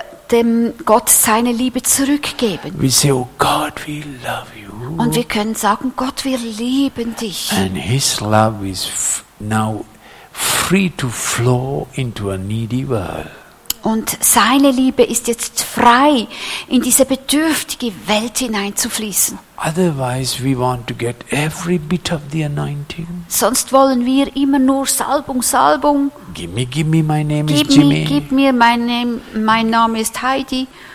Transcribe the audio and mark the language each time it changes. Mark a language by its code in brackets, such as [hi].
[de] Dem Gott seine Liebe zurückgeben. [en] We say, oh God, we love you. [de] Und wir können sagen, Gott, wir lieben dich. [en] And his love is now free to flow into a needy world. [de] Und seine Liebe ist jetzt frei, in diese bedürftige Welt hineinzufließen. [en] Otherwise we want to get every bit of the anointing. [de] Sonst wollen wir immer nur Salbung, Salbung. [en] Give me, my name [de] gib [en] is Jimmy. [de] Gib mir, mein Name ist Heidi.